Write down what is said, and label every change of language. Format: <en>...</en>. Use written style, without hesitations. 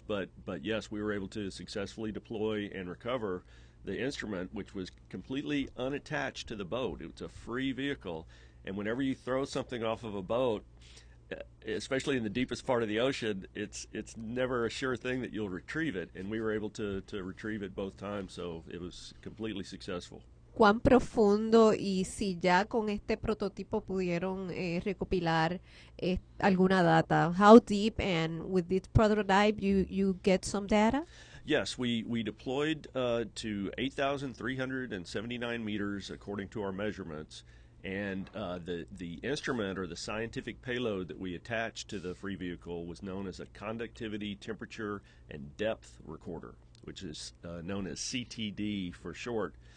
<en>But yes, we were able to successfully deploy and recover the instrument, which was completely unattached to the boat. It was a free vehicle. And whenever you throw something off of a boat, especially in the deepest part of the ocean, it's never a sure thing that you'll retrieve it. And we were able to retrieve it both times, so it was completely successful.</en> <es>¿Cuán profundo y si ya con este prototipo pudieron recopilar alguna data?</es> <en>How deep, and with this prototype you get some data? Yes, we deployed to 8,379 meters according to our measurements, and the instrument or the scientific payload that we attached to the free vehicle was known as a conductivity, temperature, and depth recorder, which is known as CTD for short.</en>